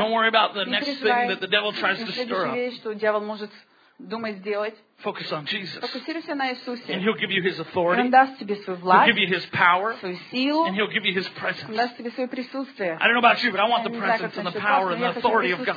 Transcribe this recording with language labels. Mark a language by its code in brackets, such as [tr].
[en] Don't worry about the next thing that the devil tries to stir up. [ru] Что дьявол может думать сделать. [en] Focus on Jesus. [ru] Фокусируйся на Иисусе. [en] And He'll give you His authority. [ru] Он даст тебе свою власть. [en] He'll give you His power. [ru] Свою силу. [en] And He'll give you His presence. [ru] Он даст тебе свое присутствие. [en] I don't know about you, but I want the presence and the power and the authority of God.